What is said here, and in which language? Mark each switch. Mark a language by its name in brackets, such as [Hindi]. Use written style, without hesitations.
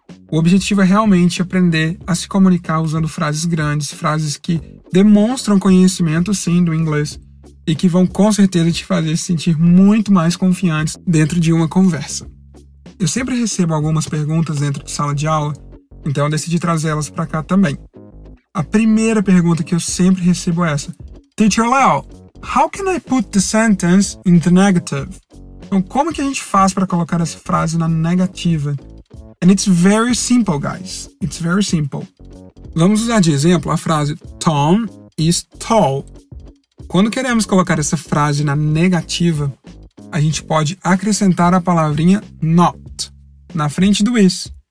[Portuguese] O objetivo é realmente aprender a se comunicar usando frases grandes, frases que demonstram conhecimento, sim, do inglês, e que vão com certeza te fazer se sentir muito mais confiante dentro de uma conversa. Eu sempre recebo algumas perguntas dentro de sala de aula, então eu decidi trazê-las para cá também. A primeira pergunta que eu sempre recebo é essa. [English] Teacher Léo, how can I put the sentence in the negative? [Portuguese] Então, como que a gente faz para colocar essa frase na negativa? [English] And it's very simple, guys. It's very simple. [Portuguese] Vamos usar de exemplo a frase [English] Tom is tall. [Portuguese] Quando queremos colocar essa frase na negativa, a gente pode acrescentar a palavrinha not na frente do is.